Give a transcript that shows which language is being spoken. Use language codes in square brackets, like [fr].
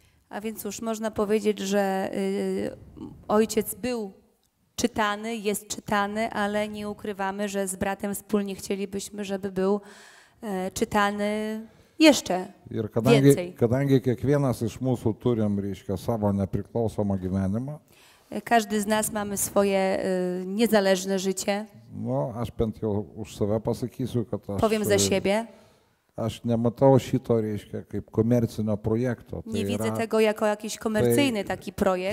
[pl] A więc już można powiedzieć, że ojciec był czytany, jest czytany, ale nie ukrywamy, że z bratem wspólnie chcielibyśmy, żeby był czytany jeszcze więcej. [lt] Kadangi kiekvienas iš mūsų turim, reiškia, savo nepriklausomą gyvenimą. [pl] Każdy z nas mamy swoje niezależne życie. [lt] No, aš bent jau už save pasakysiu, kad aš [pl] powiem za siebie. [lt] Aš nematau šito, reiškia, kaip komercinio projekto. [pl] Nie widzę tego jako jakiś komercyjny taki projekt.